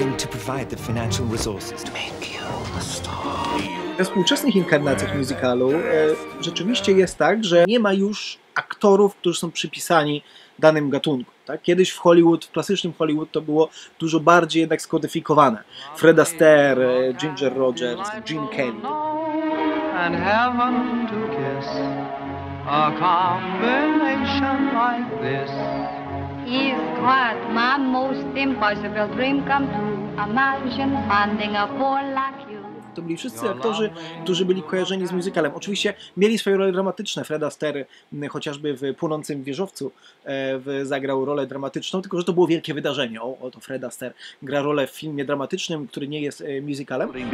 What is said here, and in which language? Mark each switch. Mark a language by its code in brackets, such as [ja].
[en] provide the financial resources to make you a star. [pl] We współczesnych inkarnacjach musicalu rzeczywiście jest tak, że nie ma już aktorów, którzy są przypisani danym gatunku. Tak? Kiedyś w Hollywood, w klasycznym Hollywood, to było dużo bardziej jednak skodyfikowane. Fred Astaire, Ginger Rogers, Gene Kelly. [en] And heaven to kiss, a combination like this is quite my most impossible dream come true. Imagine finding a fool like you. [pl] To byli wszyscy aktorzy, którzy byli kojarzeni z musicalem. Oczywiście mieli swoje role dramatyczne. Fred Astaire chociażby w Płonącym wieżowcu zagrał rolę dramatyczną, tylko że to było wielkie wydarzenie. Oto Fred Astaire gra rolę w filmie dramatycznym, który nie jest musicalem.